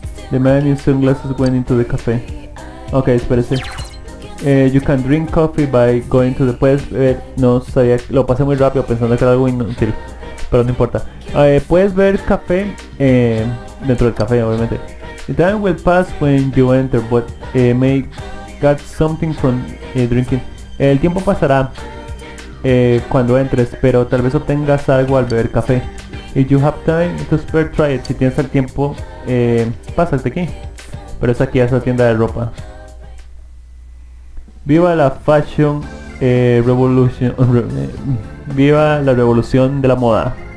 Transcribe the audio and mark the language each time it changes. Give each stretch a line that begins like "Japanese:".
English: The man in sunglasses went into the café.
Spanish: Ok, espérese.
English: You can drink coffee by going to the...
Spanish: Puedes ver... No sabía... Lo pasé muy rápido pensando que era algo inútil. Pero no importa. Puedes ver café. Dentro del café, obviamente.
English: The time will pass when you enter, but may get something from drinking.
Spanish: El tiempo pasará cuando entres, pero tal vez obtengas algo al beber café.
English: If you have time to spare, try it.
Spanish: Si tienes el tiempo, pásate aquí. Pero es aquí, es la tienda de ropa. Viva la
English: fashion revolution.
Spanish: Viva la revolución de la moda.